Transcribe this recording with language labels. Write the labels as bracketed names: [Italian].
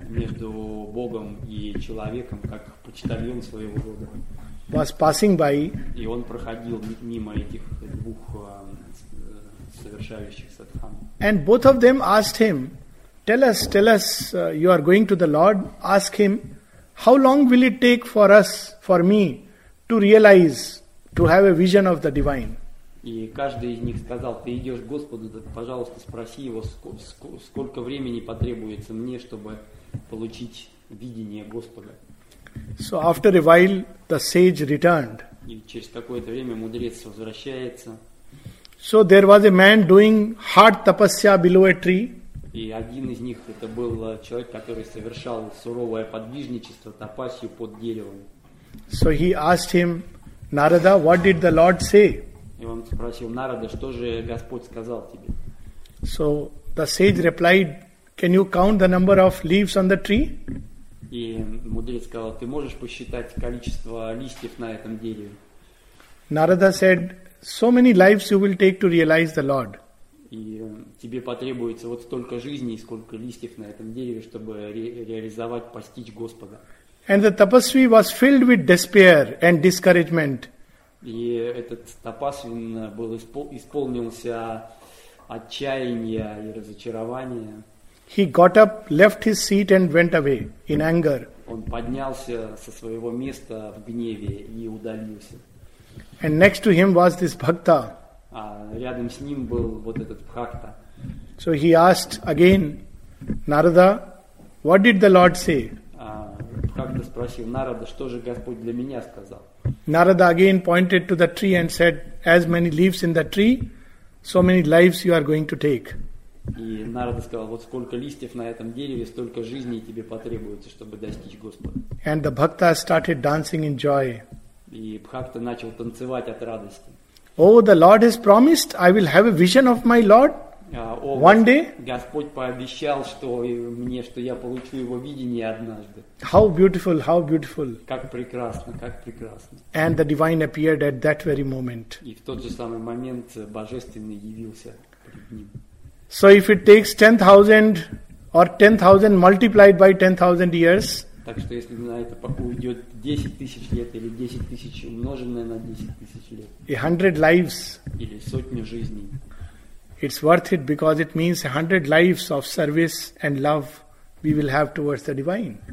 [Russian] между Богом и человеком, как почтальон своего рода, [English] was passing by, [Russian] и он проходил мимо этих двух совершающих садхану. [English] And both of them asked him, tell us, you are going to the Lord, ask him, how long will it take for us, for me, to realize, to have a vision of the divine. [Russian] И каждый из них сказал: ты идешь к Господу, так, пожалуйста, спроси его, сколько времени потребуется мне, чтобы получить видение Господа. [English] So after a while the sage returned. [Russian] И через какое-то время мудрец возвращается. [English] So there was a man doing hard tapasya below a tree. [Russian] И один из них это был человек, который совершал суровое подвижничество тапасью под деревом. [English] So he asked him, Narada, what did the Lord say? [Russian] И он спросил Нарада, что же Господь сказал тебе? [English] So the sage replied, can you count the number of leaves on the tree? [Russian] И мудрец сказал, ты можешь посчитать количество листьев на этом дереве? [English] Narada said, so many lives you will take to realize the Lord. [Russian] И тебе потребуется вот столько жизней, сколько листьев на этом дереве, чтобы реализовать, постичь Господа. [English] And the tapasvi was filled with despair and discouragement. [Russian] И этот тапасвин был исполнился отчаяния и разочарования. [English] He got up, left his seat and went away in anger. [Russian] Он поднялся со своего места в гневе и удалился. [English] And next to him was this bhakta. [Russian] А рядом с ним был вот этот бхакта. [English] So he asked again, Narada, what did the Lord say? [Russian] Бхакта спросил Нарада, что же Господь для меня сказал? [English] Narada again pointed to the tree and said, as many leaves in the tree, so many lives you are going to take. [Russian] И Нарада сказал, вот сколько листьев на этом дереве, столько жизней тебе потребуется, чтобы достичь Господа. [English] And the bhakta started dancing in joy. [Russian] И бхакта начал танцевать от радости. [English] Oh, the Lord has promised I will have a vision of my Lord one day. [Russian] Господь пообещал, что мне, что я получу его видение однажды. [English] How beautiful, how beautiful. [Russian] Как прекрасно, как прекрасно. [English] And the divine appeared at that very moment. [Russian] И в тот же самый момент божественный явился перед ним. [English] So if it takes 10,000 or 10,000 multiplied by 10,000 years. [Russian] Так что если на это уйдет 10,000 лет или 10,000 умноженное на 10,000 лет. [English] 100 lives. [Russian] Или сотню жизней. [English] It's worth it because it means 100 lives of service and love we will have towards the divine.